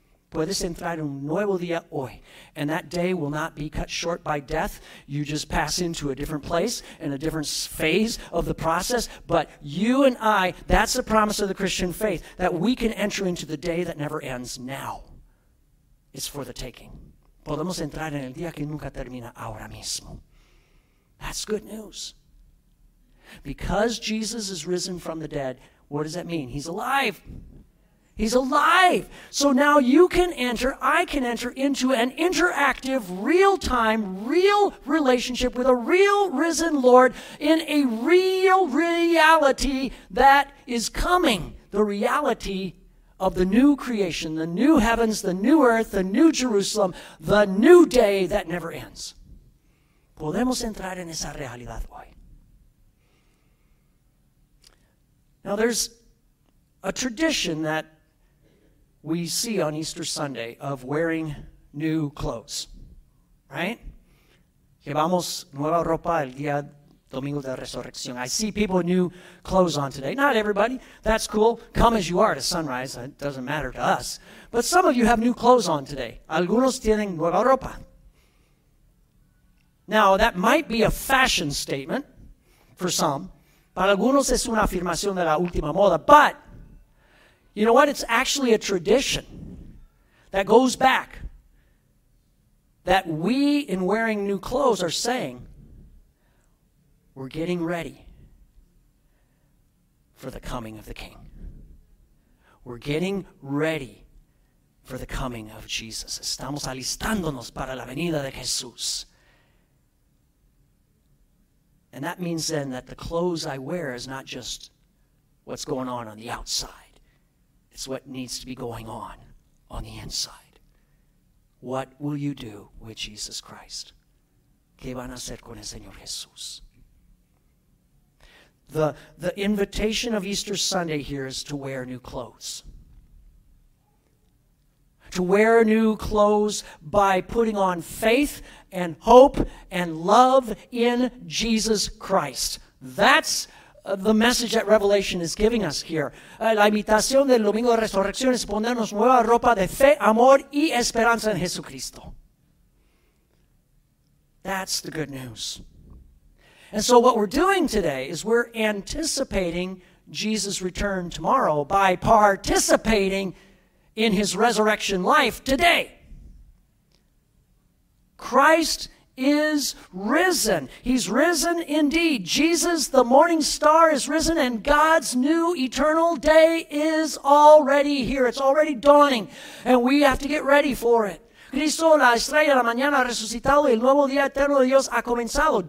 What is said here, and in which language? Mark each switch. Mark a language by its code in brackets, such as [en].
[es] Puedes entrar en un nuevo día hoy. [en] And that day will not be cut short by death. You just pass into a different place and a different phase of the process. But you and I, that's the promise of the Christian faith, that we can enter into the day that never ends now. It's for the taking. [es] Podemos entrar en el día que nunca termina ahora mismo. [en] That's good news. Because Jesus is risen from the dead, what does that mean? He's alive. He's alive. So now you can enter, I can enter into an interactive, real-time, real relationship with a real risen Lord in a real reality that is coming. The reality of the new creation, the new heavens, the new earth, the new Jerusalem, the new day that never ends. [es] podemos entrar en esa realidad hoy. [en] Now there's a tradition that we see on Easter Sunday of wearing new clothes, right? [es] Llevamos nueva ropa el día Domingo de Resurrección. [en] I see people with new clothes on today. Not everybody. That's cool. Come as you are to sunrise. It doesn't matter to us. But some of you have new clothes on today. [es] Algunos tienen nueva ropa. [en] Now, that might be a fashion statement for some. [es] Para algunos es una afirmación de la última moda. [en] But, you know what? It's actually a tradition that goes back, that we, in wearing new clothes, are saying, we're getting ready for the coming of the King. We're getting ready for the coming of Jesus. [es] Estamos alistándonos para la venida de Jesús. [en] And that means then that the clothes I wear is not just what's going on the outside. It's what needs to be going on the inside. What will you do with Jesus Christ? [es] ¿Qué van a hacer con el Señor Jesús? [en] The invitation of Easter Sunday here is to wear new clothes. To wear new clothes by putting on faith and hope and love in Jesus Christ. That's the message that Revelation is giving us here. [es] La invitación del Domingo de Resurrección es ponernos nueva ropa de fe, amor y esperanza en Jesucristo. [en] That's the good news. And so what we're doing today is we're anticipating Jesus' return tomorrow by participating in his resurrection life today. Christ is risen. He's risen indeed. Jesus, the morning star, is risen, and God's new eternal day is already here. It's already dawning, and we have to get ready for it. [es] Cristo, la estrella de la mañana, ha resucitado y el nuevo día eterno de Dios ha comenzado.